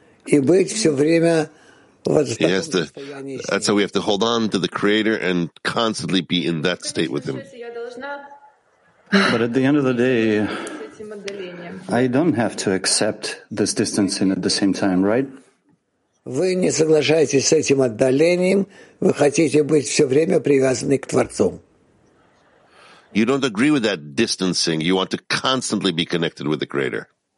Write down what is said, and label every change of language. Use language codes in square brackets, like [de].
[en] He has to, that's how we have to hold on to the Creator and constantly be in that state with Him. But at the end of the day, I don't have to accept this distancing at the same time, right? [ru] Вы не соглашаетесь с этим отдалением, вы хотите быть все время привязаны к Творцу. [en] You don't agree with that distancing. You want to constantly be connected with the Creator.